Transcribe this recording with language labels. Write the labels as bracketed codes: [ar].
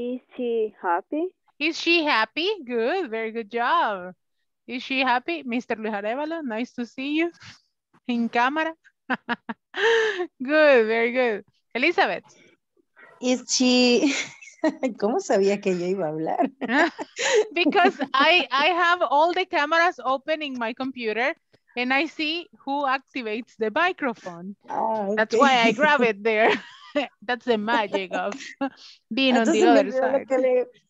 [en] Is she happy? Is she happy? Good, very good job. Is she happy? Mr. Luis Arevalo, nice to see you in camera. Good, very good. Elizabeth. Is she, [es] ¿cómo sabía que yo iba a hablar? [en] Because I have all the cameras open in my computer and I see who activates the microphone. Ah, okay. That's why I grab it there. That's the magic of being on the other side.